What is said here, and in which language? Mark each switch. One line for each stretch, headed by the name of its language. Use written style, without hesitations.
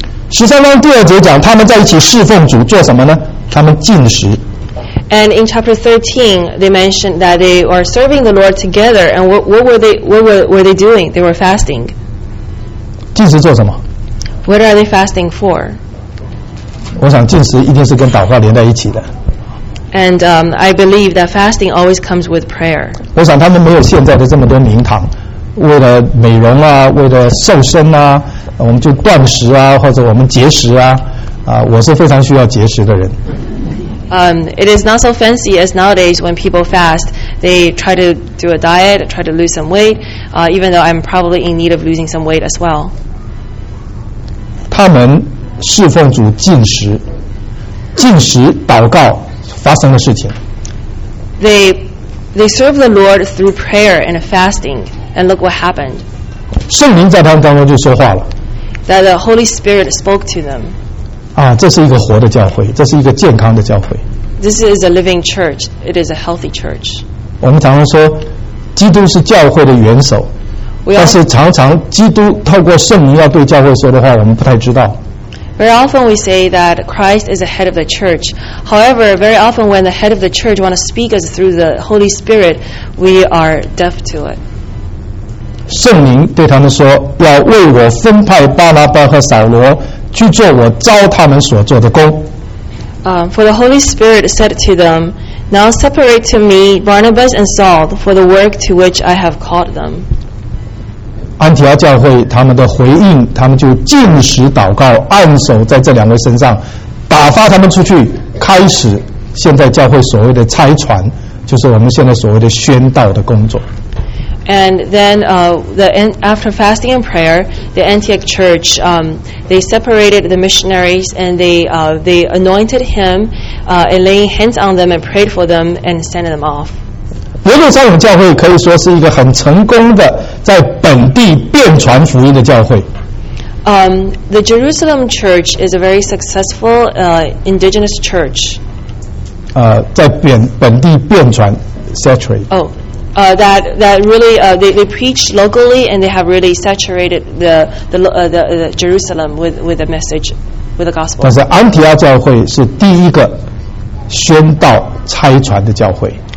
Chinese: 十三章第二节讲，他们在一起侍奉主做什么呢？他们禁食。
English: And in chapter 13, they mentioned that they are serving the Lord together. And what were they doing? They were fasting.
Chinese: 禁食做什么？
English: What are they fasting for?
Chinese: 我想禁食一定是跟祷告连在一起的。
English: And I believe that fasting always comes with prayer.
Chinese: 我想他们没有现在的这么多名堂，为了美容啊，为了瘦身啊，我们就断食啊，或者我们节食啊，我是非常需要节食的人。
English: It is not so fancy as nowadays when people fast. They try to do a diet, try to lose some weight. Even though I'm probably in need of losing some weight as well.
Chinese: 他们侍奉主禁食，禁食祷告。发生的事情。
English: They serve the Lord through prayer and fasting, and look what happened.
Chinese: 圣灵在他们当中就说话了。
English: That the Holy Spirit spoke to them.
Chinese: 啊，这是一个活的教会，这是一个健康的教会。
English: This is a living church. It is a healthy church.
Chinese: 我们常常说，基督是教会的元首，但是常常基督透过圣灵要对教会说的话，我们不太知道。
English: Very often we say that Christ is the head of the church. However, very often when the head of the church wants to speak us through the Holy Spirit, we are deaf to it.
Chinese: 圣灵对他们说，要为我分派巴拿巴和扫罗去做我招他们所做的工。
English: For the Holy Spirit said to them, Now separate to me Barnabas and Saul for the work to which I have called them.
Chinese: 安提阿教会他们的回应，他们就禁食祷告，按手在这两位身上，打发他们出去，开始现在教会所谓的拆船，就是我们现在所谓的宣道的工作。
English: And then after fasting and prayer, the Antioch church they separated the missionaries and they anointed him and laying hands on them and prayed for them and sent them off.
Chinese: 原则上我们教会可以说是一个很成功的在本地遍传福音的教会。
English: The Jerusalem Church is a very successful indigenous church.
Chinese: 在本地遍传 saturate.
English: Oh, that really they preach locally and they have really saturated the Jerusalem with the message with the gospel.
Chinese: 但是安提阿教会是第一个宣道拆传的教会。